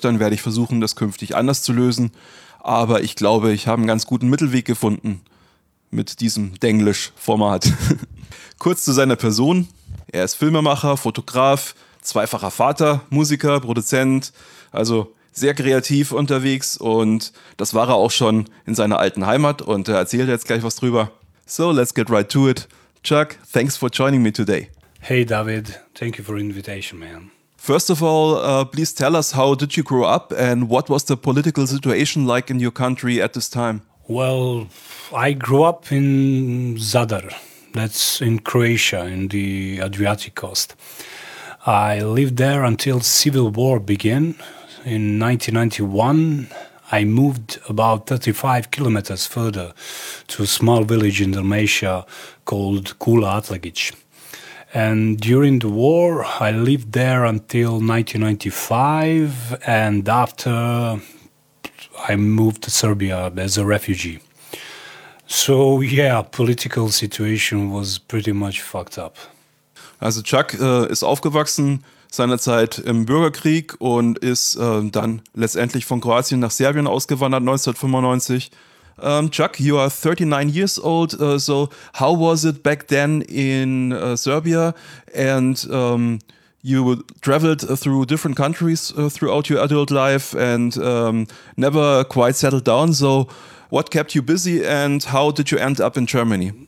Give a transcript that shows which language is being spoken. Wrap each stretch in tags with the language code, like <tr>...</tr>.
<de>Dann werde ich versuchen, das künftig anders zu lösen. Aber ich glaube, ich habe einen ganz guten Mittelweg gefunden mit diesem Denglisch-Format. Kurz zu seiner Person. Er ist Filmemacher, Fotograf, zweifacher Vater, Musiker, Produzent. Also sehr kreativ unterwegs. Und das war er auch schon in seiner alten Heimat. Und er erzählt jetzt gleich was drüber.</de> <en>So, let's get right to it. Chuck, thanks for joining me today. Hey, David. Thank you for the invitation, man. First of all, please tell us, how did you grow up and what was the political situation like in your country at this time? Well, I grew up in Zadar. That's in Croatia, in the Adriatic coast. I lived there until civil war began. In 1991, I moved about 35 kilometers further to a small village in Dalmatia called Kula Atlagić. And during the war, I lived there until 1995, and after I moved to Serbia as a refugee. So yeah, political situation was pretty much fucked up.</en> <de>Also Chuck ist aufgewachsen seinerzeit im Bürgerkrieg und ist dann letztendlich von Kroatien nach Serbien ausgewandert 1995.</de> <en>Chuck, you are 39 years old, so how was it back then in Serbia? And you traveled through different countries throughout your adult life and never quite settled down. So what kept you busy and how did you end up in Germany?</en>